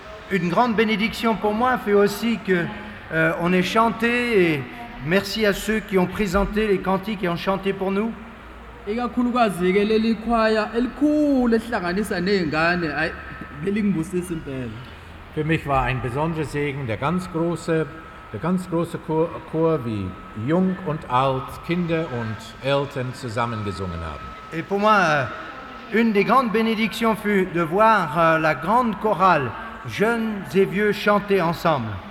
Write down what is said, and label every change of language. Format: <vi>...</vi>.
<fr>Une grande bénédiction pour moi fait aussi que on ait chanté et merci à ceux qui ont présenté les cantiques et ont chanté pour nous.</fr> <de>Für mich war ein besonderer Segen der ganz große Chor, wie jung und alt, Kinder und Eltern zusammengesungen haben.</de> <fr>Et pour moi, une des grandes bénédictions fut de voir la grande chorale, jeunes et vieux, chanter ensemble.</fr>